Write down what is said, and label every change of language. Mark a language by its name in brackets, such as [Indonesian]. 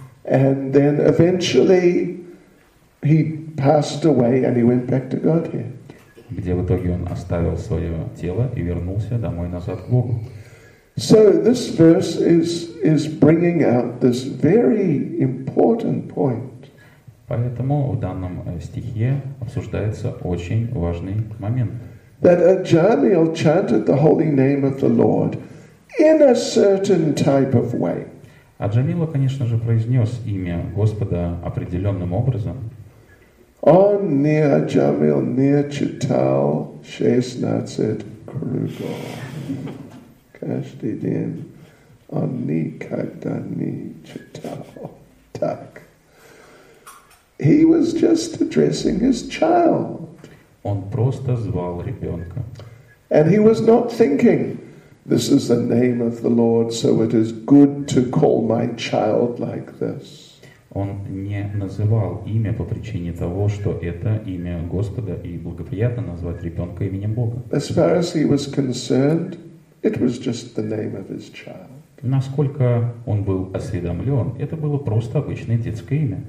[English] And then eventually he passed away and he went back to Godhead. [Russian] Где в итоге он оставил свое тело и вернулся домой назад к Богу. [English] So this verse is bringing out this very important point. [Russian] Поэтому в данном стихе обсуждается очень важный момент. [English] That Ajamil chanted the holy name of the Lord in a certain type of way. [Russian] Аджамила, конечно же, произнес имя Господа определенным образом. Он не Аджамил, не читал 16 кругов. Каждый день он никогда не читал. [English] Так. He was just addressing his child. [Russian] Он просто звал ребенка. [English] And he was not thinking, this is the name of the Lord, so it is good to call my child like this. [Russian] Он не называл имя по причине того, что это имя Господа и благоприятно назвать ребенка именем Бога. [English] As far as he was concerned, it was just the name of his child. [Russian] Насколько он был осведомлен, это было просто обычное детское имя.